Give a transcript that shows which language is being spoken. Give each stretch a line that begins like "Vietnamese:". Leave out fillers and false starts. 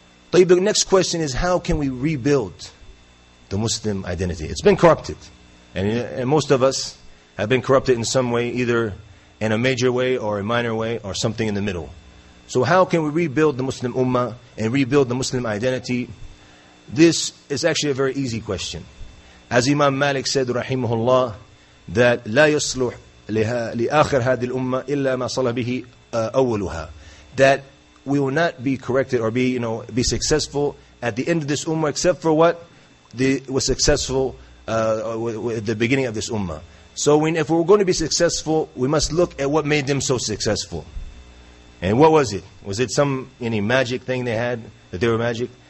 English: The next question is, how can we rebuild the Muslim identity? It's been corrupted. And most of us have been corrupted in some way, either in a major way or a minor way or something in the middle. So how can we rebuild the Muslim Ummah and rebuild the Muslim identity? This is actually a very easy question. As Imam Malik said, rahimahullah, that
Arabic: لا يصلح لآخر هذه الأمة إلا ما صلى به أولها.
English: That we will not be corrected or be successful at the end of this Ummah except for what was successful at the beginning of this Ummah. So if we're going to be successful, we must look at what made them so successful. And what was it? Was it any magic thing they had, that they were magic?